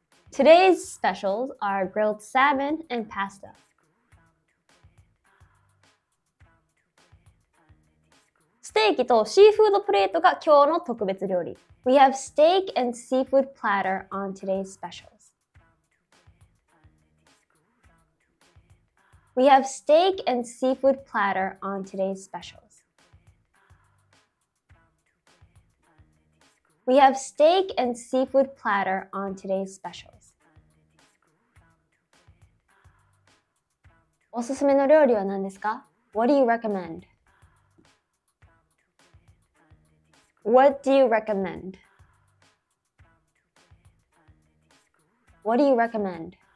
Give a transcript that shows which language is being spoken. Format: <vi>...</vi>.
<en>Today's specials are grilled salmon and pasta.</en> <ja>ステーキとシーフードプレートが今日の特別料理。</ja> <en>We have steak and seafood platter on today's specials. We have steak and seafood platter on today's specials. We have steak and seafood platter on today's specials.</en> <ja>おすすめの料理は何ですか?</ja> <en>What do you recommend? What do you recommend? What do you recommend?</en>